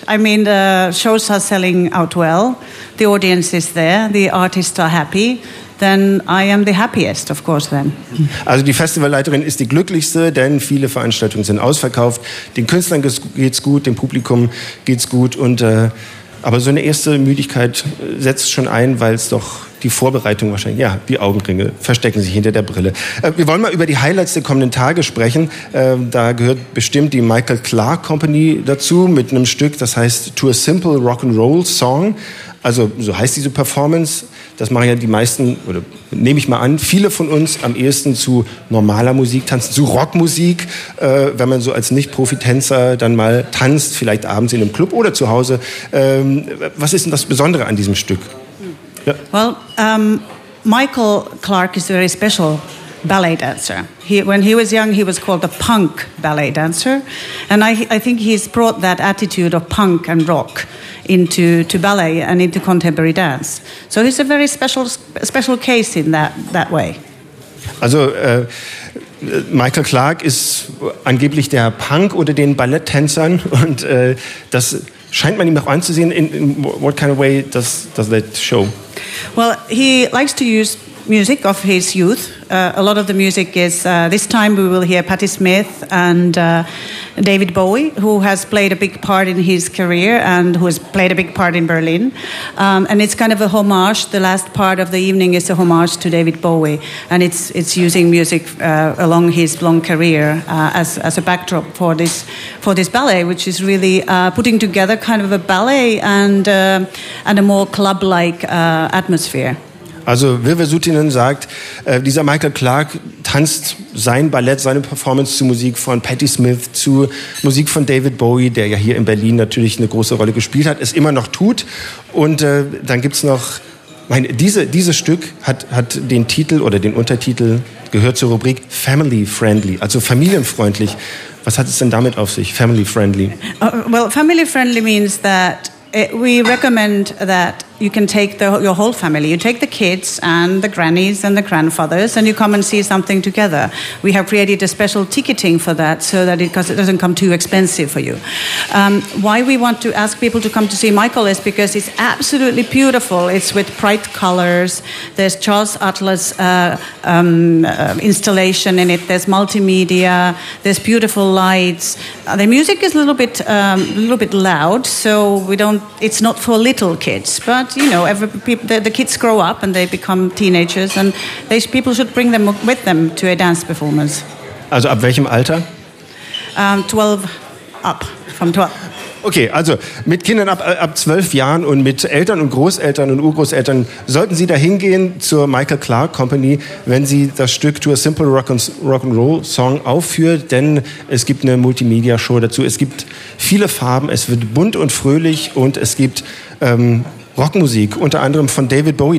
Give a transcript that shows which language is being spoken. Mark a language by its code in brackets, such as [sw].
[en] I mean, the shows are selling out well. The audience is there. The artists are happy. Then I am the happiest, of course, then. [de] Also die Festivalleiterin ist die glücklichste, denn viele Veranstaltungen sind ausverkauft. Den Künstlern geht's gut, dem Publikum geht's gut. Und aber so eine erste Müdigkeit setzt schon ein, weil es doch die Vorbereitung wahrscheinlich, ja, die Augenringe verstecken sich hinter der Brille. Wir wollen mal über die Highlights der kommenden Tage sprechen. Da gehört bestimmt die Michael Clark Company dazu mit einem Stück, das heißt To a Simple Rock'n'Roll Song. Also so heißt diese Performance. Das machen ja die meisten, oder nehme ich mal an, viele von uns am ehesten zu normaler Musik tanzen, zu Rockmusik, wenn man so als Nicht-Profi-Tänzer dann mal tanzt, vielleicht abends in einem Club oder zu Hause. Was ist denn das Besondere an diesem Stück? Ja. [en] Well, Michael Clark is a very special ballet dancer. When he was young, he was called a punk ballet dancer. And I think he's brought that attitude of punk and rock into ballet and into contemporary dance. So he's a very special case in that way. [de] Also Michael Clark ist angeblich der Punk unter den Balletttänzern, und das scheint man ihm auch anzusehen. [en] In what kind of way does that show? Well, he likes to use music of his youth. A lot of the music is, this time we will hear Patti Smith and David Bowie, who has played a big part in his career and who has played a big part in Berlin. And it's kind of a homage. The last part of the evening is a homage to David Bowie. And it's using music along his long career as a backdrop for this ballet, which is really putting together kind of a ballet and a more club-like atmosphere. [de] Also Virve Suutinen sagt, dieser Michael Clark tanzt sein Ballett, seine Performance zu Musik von Patti Smith, zu Musik von David Bowie, der ja hier in Berlin natürlich eine große Rolle gespielt hat, es immer noch tut. Und dann gibt's noch, dieses Stück hat den Titel oder den Untertitel, gehört zur Rubrik Family Friendly, also familienfreundlich. Was hat es denn damit auf sich, Family Friendly? [en] Well, Family Friendly means that we recommend that you can take your whole family. You take the kids and the grannies and the grandfathers, and you come and see something together. We have created a special ticketing for that so that it doesn't come too expensive for you. Why we want to ask people to come to see Michael is because it's absolutely beautiful. It's with bright colors. There's Charles Atlas installation in it. There's multimedia. There's beautiful lights. The music is a little bit loud, so it's not for little kids, but you know, the kids grow up and they become teenagers, and these people should bring them with them to a dance performance. [de] Also ab welchem Alter? [en] 12 up, from 12. [de] Okay, also mit Kindern ab 12 Jahren und mit Eltern und Großeltern und Urgroßeltern sollten Sie da hingehen zur Michael Clark Company, wenn Sie das Stück To a Simple Rock'n'Roll Song aufführt, denn es gibt eine Multimedia-Show dazu, es gibt viele Farben, es wird bunt und fröhlich, und es gibt Rockmusik, unter anderem von David Bowie.